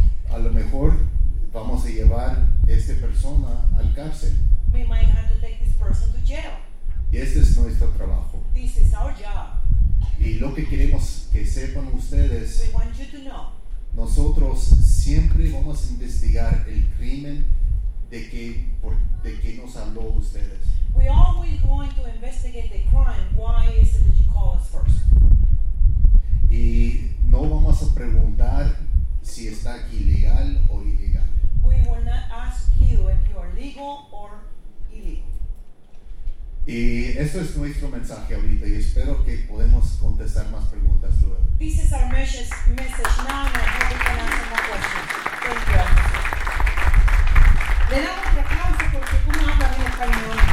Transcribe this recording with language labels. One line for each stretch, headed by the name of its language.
Spanish: A lo mejor vamos a llevar esta persona al cárcel.
English: We might have to take this person to jail.
Spanish: Y este es nuestro trabajo.
English: This is our job.
Spanish: Y lo que queremos que sepan ustedes.
English: We want you to know.
Spanish: Nosotros siempre vamos a investigar el crimen de que nos habló ustedes.
English: We always going to investigate the crime. Why is it that you call us first?
Spanish: Y no vamos a preguntar si está aquí legal o ilegal.
English: We will not ask you if you are legal or illegal.
Spanish: Y eso es nuestro mensaje ahorita y espero que podemos contestar más preguntas luego.
English: This is our message now and I hope we can answer more questions. Thank you.
Spanish: Le damos un aplauso porque uno habla bien español.